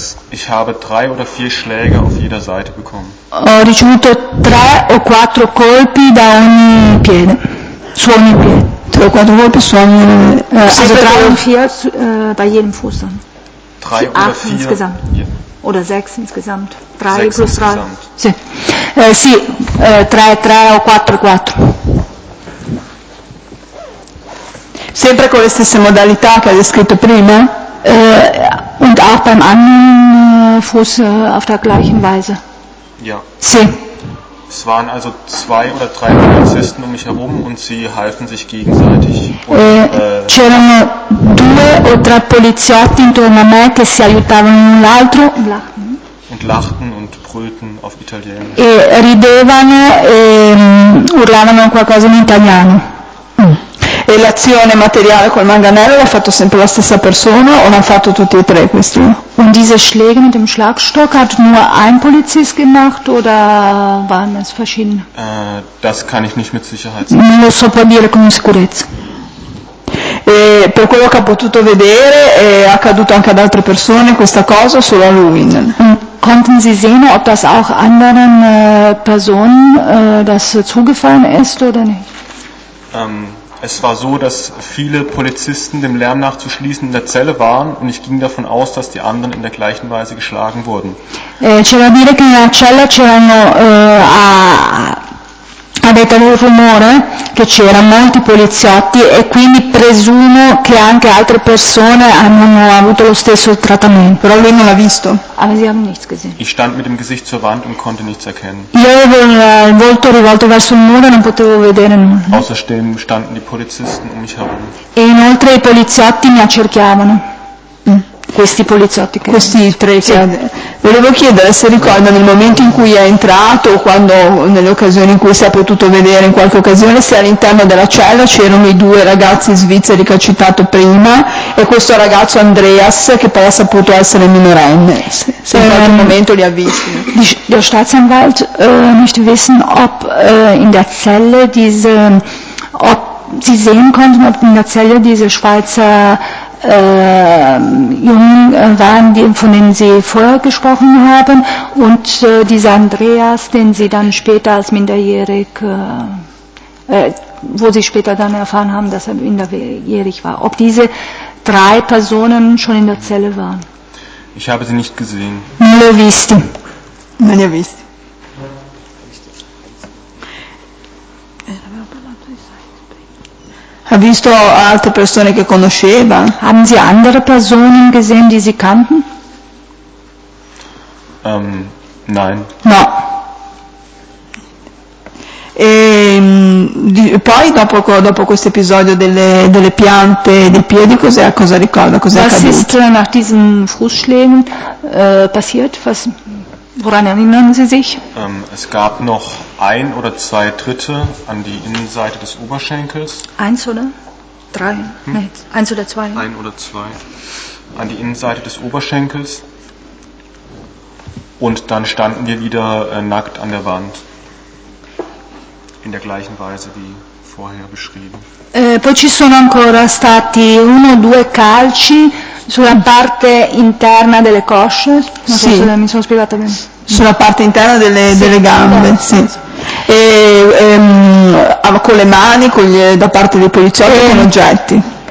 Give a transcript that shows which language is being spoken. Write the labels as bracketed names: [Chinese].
[German] Ich habe drei oder vier Schläge auf jeder Seite bekommen. [Italian] Ho ricevuto tre o quattro colpi da ogni piede. Su ogni piede. Tre o quattro colpi su ogni piede. [German] Bei jedem Fuß dann. Drei oder vier. Insgesamt. Yeah. Oder sechs insgesamt. Drei sechs plus drei. [Italian] Sì. Sì. Tre o quattro e quattro. Sempre con le stesse modalità che hai descritto prima? [German] Und auch beim anderen Fuß auf der gleichen Weise. Ja. [Italian] Sì. [German] Es waren also zwei oder drei Polizisten um mich herum und sie halfen sich gegenseitig. [Italian] C'erano due o tre poliziotti intorno a me che si aiutavano l'un l'altro. [German] Und lachten und brüllten auf Italienisch. [Italian] E ridevano e urlavano qualcosa in italiano. E l'azione materiale col manganello l'ha fatto sempre la stessa persona o l'hanno fatto tutti e tre questi? [German] Und diese Schläge mit dem Schlagstock hat nur ein Polizist gemacht oder waren es verschiedene? Das kann ich nicht mit Sicherheit sagen. [Italian] Non lo so può dire con sicurezza. E per quello che ha potuto vedere è accaduto anche ad altre persone questa cosa o solo a lui? Konnten Sie sehen, ob das auch anderen Personen das zugefallen ist oder nicht? [German] Es war so, dass viele Polizisten dem Lärm nachzuschließen in der Zelle waren und ich ging davon aus, dass die anderen in der gleichen Weise geschlagen wurden. [Italian] C'era da dire che nella cella c'erano ha detto il rumore che c'erano molti poliziotti e quindi presumo che anche altre persone hanno avuto lo stesso trattamento. Però lui non l'ha visto. [German] Aber sie haben nichts gesehen. Ich stand mit dem Gesicht zur Wand und konnte nichts erkennen. [Italian] Io avevo il volto rivolto verso il muro e non potevo vedere nulla. [German] Außerdem standen die Polizisten um mich herum. [Italian] E inoltre i poliziotti mi accerchiavano. Questi poliziotti che questi tre sì. Volevo chiedere se ricorda nel momento in cui è entrato o quando nelle occasioni in cui si è potuto vedere in qualche occasione se all'interno della cella c'erano i due ragazzi svizzeri che ho citato prima e questo ragazzo Andreas che poi ha saputo essere minorenne se in qualche momento li ha visti. [German] Der Staatsanwalt möchte wissen ob in der Zelle diese ob sie sehen konnten ob in der Zelle diese Schweizer Jungen waren, die, von denen Sie vorher gesprochen haben und dieser Andreas, den Sie dann später als minderjährig wo Sie später dann erfahren haben, dass er minderjährig war. Ob diese drei Personen schon in der Zelle waren? Ich habe sie nicht gesehen. [Italian] Non ho visto. Non ho visto. Ha visto altre persone che conosceva? [German] Haben Sie andere Personen gesehen, die Sie kannten? Nein. [Italian] No. E poi dopo questo episodio delle piante dei piedi, cosa ricorda? Cos'è accaduto? [German] Was ist nach diesen Fußschlägen passiert? Woran erinnern Sie sich? Es gab noch ein oder zwei Tritte an die Innenseite des Oberschenkels. Eins oder drei? Eins oder zwei? Ein oder zwei an die Innenseite des Oberschenkels. Und dann standen wir wieder nackt an der Wand. In der gleichen Weise wie vorher beschrieben. [Italian] Poi ci sono ancora stati uno o due calci sulla parte interna delle cosce. Non sì. So se mi sono spiegata bene. Sulla parte interna delle gambe, sì. Con le mani, da parte dei poliziotti, con oggetti.